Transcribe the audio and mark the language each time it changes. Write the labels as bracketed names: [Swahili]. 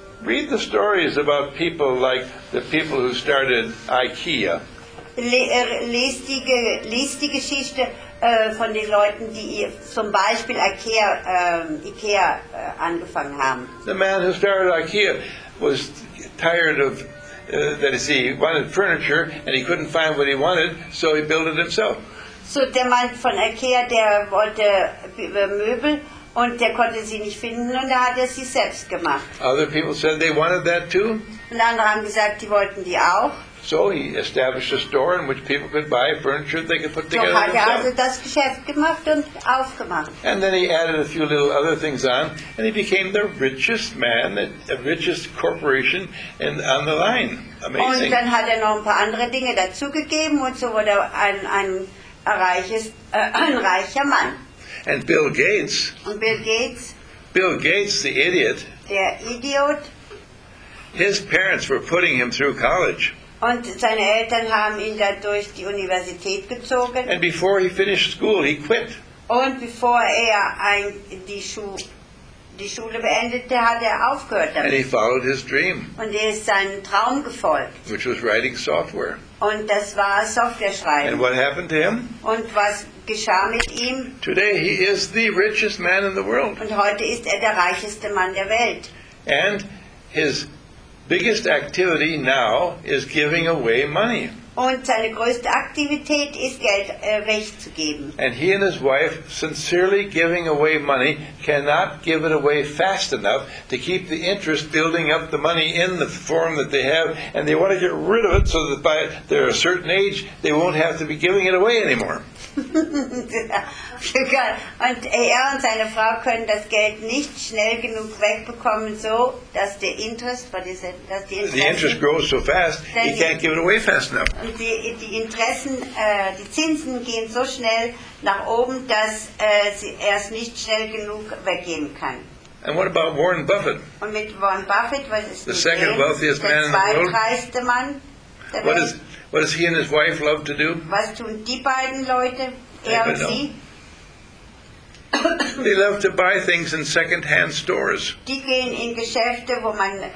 [English] Read the stories about people like the people who started IKEA. [German] Lies die Geschichte von den Leuten, die zum Beispiel IKEA angefangen haben. [English] The man who started IKEA was tired of that is, he wanted furniture and he couldn't find what he wanted, so he built it himself. [German] So der Mann von IKEA, der wollte Möbel, und der konnte sie nicht finden, und da hat sie selbst gemacht. [English] Other people said they wanted that too. [German] Und andere haben gesagt, die wollten die auch. [English] So he established a store in which people could buy furniture they could put together themselves. [German] So hat also das Geschäft gemacht und aufgemacht. [English] And then he added a few little other things on, and he became the richest man, the richest corporation on the line. Amazing. [German] Und dann hat noch ein paar andere Dinge dazugegeben, und so wurde ein reicher Mann. [English] And Bill Gates. [German] Und Bill Gates. [English] Bill Gates, the idiot. [German] Der Idiot. [English] His parents were putting him through college. [German] Und seine Eltern haben ihn dann durch die Universität gezogen. [English] And before he finished school, he quit. [German] Und bevor die Schule beendete, hat aufgehört damit. [English] And he followed his dream. [German] Und ist seinem Traum gefolgt. [English] Which was writing software. [German] Und das war Software schreiben. [English] And what happened to him? [German] Und was geschah mit ihm? [English] Today he is the richest man in the world. [German] Und heute ist der reichste Mann der Welt. [English] And his biggest activity now is giving away money. [German] Und seine größte Aktivität ist, Geld wegzugeben. [English] And he and his wife sincerely giving away money cannot give it away fast enough to keep the interest building up the money in the form that they have, and they want to get rid of it so that by they're a certain age they won't have to be giving it away anymore. [German] Und er und seine Frau können das Geld nicht schnell genug wegbekommen, so dass der Interest, [English] the interest grows so fast, he can't give it away fast enough. [German] Die Interessen, die Zinsen gehen so schnell nach oben, dass er es nicht schnell genug weggeben kann. [English] And what about Warren Buffett? [German] Und mit Warren Buffett, was ist [English] the second wealthiest man in the world? [German] Mann der Welt. [English] What does he and his wife love to do? [German] Was tun die beiden Leute, er und sie? [English] They love to buy things in second-hand stores. [German] Die gehen in Geschäfte, wo man